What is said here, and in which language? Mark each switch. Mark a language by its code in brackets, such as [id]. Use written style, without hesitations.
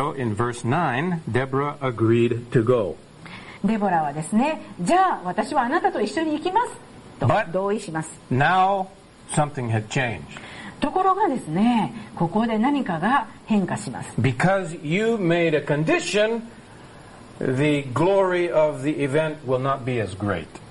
[en] So in verse 9, Deborah agreed to go. [ja] デボラはですね、じゃあ私はあなたと一緒に行きますと同意します。 [en] But now something had changed. [ja] ところがですね、ここで何かが変化します。 [en] Because you made a condition, the glory of the event will not be as great.